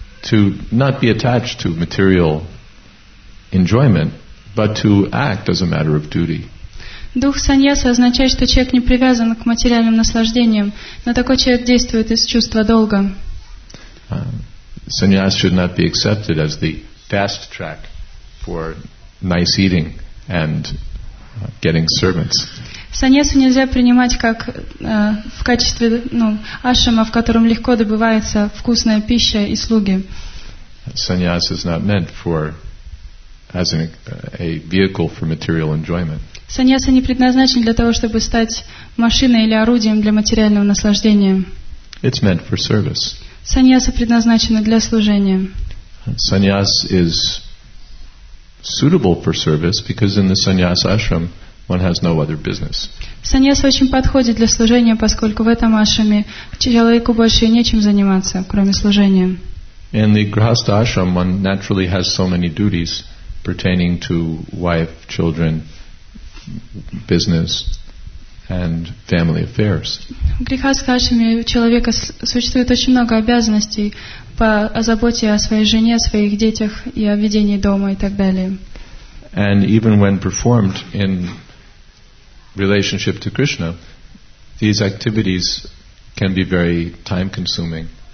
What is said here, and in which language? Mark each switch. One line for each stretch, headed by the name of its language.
English: To not be attached to material enjoyment, but to act as a matter of duty.
Russian: Дух саньяса означает, что человек не привязан к материальным наслаждениям, но такой человек действует из чувства долга.
English: Саньяс should not be accepted as the fast track for nice eating and getting servants.
Russian: Саньясу нельзя принимать как в качестве ашрама, в котором легко добывается вкусная пища и слуги.
English: Саньяс is not meant for as a vehicle for material enjoyment.
Russian: Саньяса не предназначен для того, чтобы стать машиной или орудием для материального наслаждения.
English: It's meant for service.
Russian: Саньяса предназначена для служения.
English: Саньяс is suitable for service because in the sannyas ashram one has no other business.
Russian: Саньяса очень подходит для служения, поскольку в этом ашраме человеку больше нечем заниматься, кроме служения.
English: In the grihastha ashram one naturally has so many duties pertaining to wife, children, business, and family affairs.
Russian: В грехастхашраме у человека существует очень много обязанностей по заботе о своей жене, о своих детях и о ведении дома и так далее.
English: And even when performed in relationship to Krishna, these activities can be very time consuming.